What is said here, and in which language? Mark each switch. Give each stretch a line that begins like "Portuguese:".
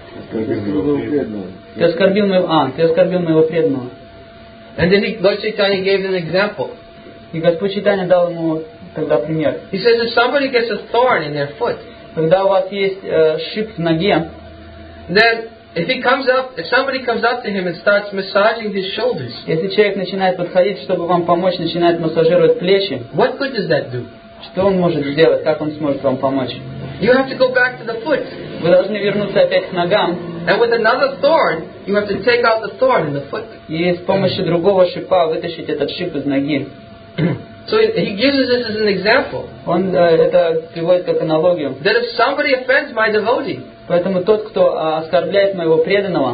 Russian: Ты оскорбил моего преданного.
English: And then Lord Chaitanya gave an example.
Russian: И Господь Чайтанья дал ему тогда пример.
English: He says, if somebody gets a thorn in their foot,
Russian: когда у вас есть шип в ноге,
English: then if somebody comes up to him and starts massaging his shoulders,
Russian: если человек начинает подходить, чтобы вам помочь, начинает массажировать плечи,
English: what good does that do?
Russian: Что он может сделать? Как он сможет вам помочь?
English: You have to go back to the foot.
Russian: Вы должны вернуться опять к ногам.
English: And with another thorn, you have to take out the thorn in the foot.
Russian: И с помощью другого шипа вытащить этот шип из ноги.
English: So he gives this as an example.
Russian: Он это приводит как аналогию.
English: That if somebody offends my devotee.
Russian: Поэтому тот, кто оскорбляет моего преданного,